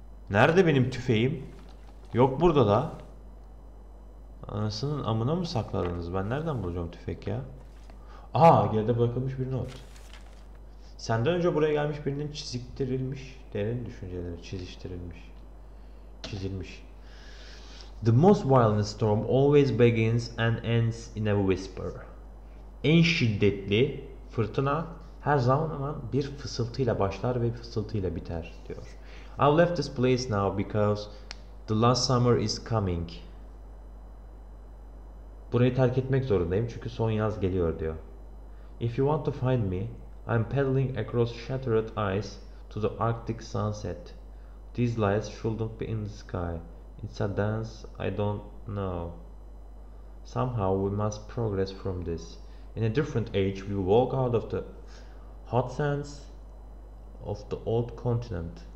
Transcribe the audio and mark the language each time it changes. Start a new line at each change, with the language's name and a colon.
Turkish: Nerede benim tüfeğim? Yok burada da. Anasının amına mı sakladınız? Ben nereden bulacağım tüfek ya? Aa, geride bırakılmış bir not. Senden önce buraya gelmiş birinin çiziktirilmiş derin düşünceleri çiziştirilmiş. Çizilmiş.
English: The most violent storm always begins and ends in a whisper.
Turkish: En şiddetli fırtına her zaman hemen bir fısıltıyla başlar ve fısıltıyla biter diyor.
English: I left this place now because the last summer is coming.
Turkish: Burayı terk etmek zorundayım çünkü son yaz geliyor diyor.
English: If you want to find me, I'm paddling across shattered ice to the Arctic sunset. These lights shouldn't be in the sky. It's a dance I don't know. Somehow we must progress from this. In a different age, we walk out of the hot sands of the old continent.